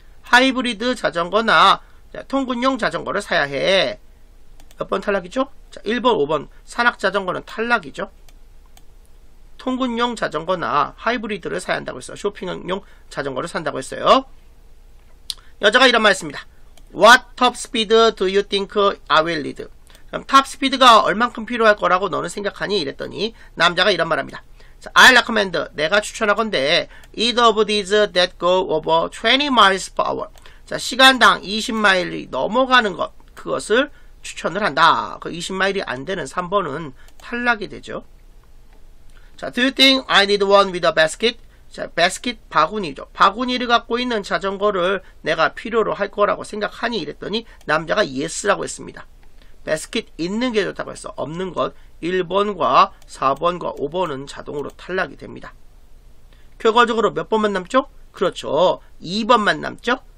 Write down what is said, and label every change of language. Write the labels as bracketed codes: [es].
[ko] 하이브리드 자전거나 통근용 자전거를 사야 해. 몇 번 탈락이죠? 자, 1번, 5번. 산악자전거는 탈락이죠. 통근용 자전거나 하이브리드를 사야 한다고 했어요. 쇼핑용 자전거를 산다고 했어요. 여자가 이런 말 했습니다. [en] What top speed do you think I will need? [ko] 그럼 top speed가 얼만큼 필요할 거라고 너는 생각하니? 이랬더니 남자가 이런 말합니다. [en] I recommend, [ko] 내가 추천하건대, [en] either of these that go over 20 miles per hour. [ko] 자, 시간당 20마일이 넘어가는 것, 그것을 추천을 한다. 그 20마일이 안 되는 3번은 탈락이 되죠. [en] 자, do you think I need one with a basket? [ko] 자, basket, 바구니죠. 바구니를 갖고 있는 자전거를 내가 필요로 할 거라고 생각하니? 이랬더니 남자가 yes라고 했습니다. basket 있는 게 좋다고 했어. 없는 것. 1번과 4번과 5번은 자동으로 탈락이 됩니다. 결과적으로 몇 번만 남죠? 그렇죠. 2번만 남죠?